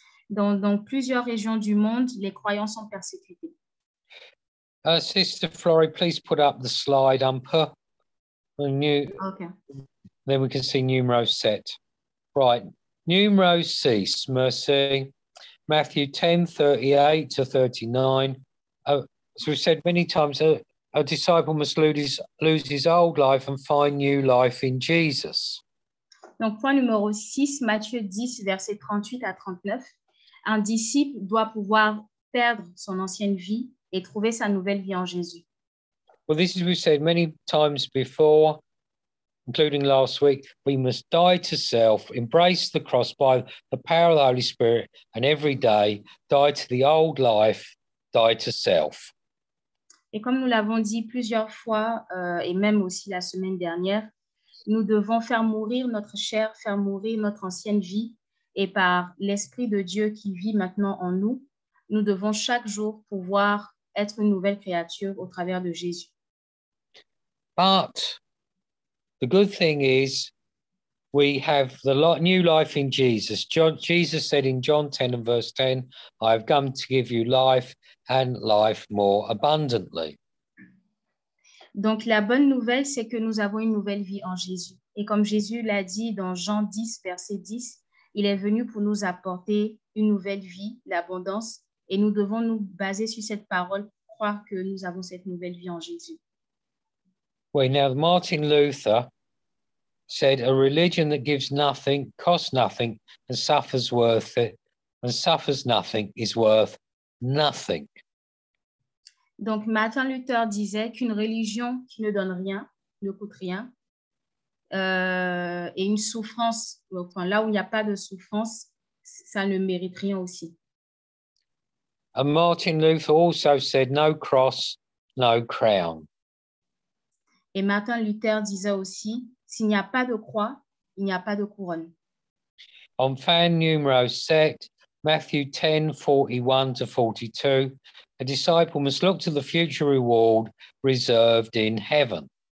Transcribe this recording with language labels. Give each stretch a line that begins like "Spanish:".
French: Dans plusieurs régions du monde, les croyants sont persécutés.
English: Sister Florrie, please put up the slide, Umper. Okay. Then we can see numero 7. Right. Numero 6, merci. Matthew 10, 38 to 39. As we've said many times, a disciple must lose his old life and find new life in Jesus.
French: Donc, point numéro 6, Matthieu 10, versets 38 à 39. Un disciple doit pouvoir perdre son ancienne vie et trouver sa nouvelle vie en Jésus.
English: Well, this is what we said many times before, including last week. We must die to self, embrace the cross by the power of the Holy Spirit, and every day die to the old life, die to self.
French: Et comme nous l'avons dit plusieurs fois, et même aussi la semaine dernière, nous devons faire mourir notre chair, faire mourir notre ancienne vie, et par l'Esprit de Dieu qui vit maintenant en nous, nous devons chaque jour pouvoir être une nouvelle créature au travers de Jésus.
English: But the good thing is, we have the new life in Jesus. Jesus said in John 10 and verse 10, I have come to give you life and life more abundantly.
French: Donc, la bonne nouvelle, c'est que nous avons une nouvelle vie en Jésus. Et comme Jésus l'a dit dans Jean 10, verset 10, il est venu pour nous apporter une nouvelle vie, l'abondance, et nous devons nous baser sur cette parole pour croire que nous avons cette nouvelle vie en Jésus.
English: Oui, now Martin Luther said, a religion that gives nothing, costs nothing, and suffers worth it, and suffers nothing, is worth nothing.
French: Donc, Martin Luther disait qu'une religion qui ne donne rien, ne coûte rien, et une souffrance, enfin, là où il n'y a pas de souffrance, ça ne mérite rien aussi.
English: And Martin Luther also said, no cross, no crown.
French: Et Martin Luther disait aussi, s'il n'y a pas de croix, il n'y a pas de couronne.
English: On fan numero 7, Matthew 10, 41 to 42, a disciple must look to the future reward reserved in heaven.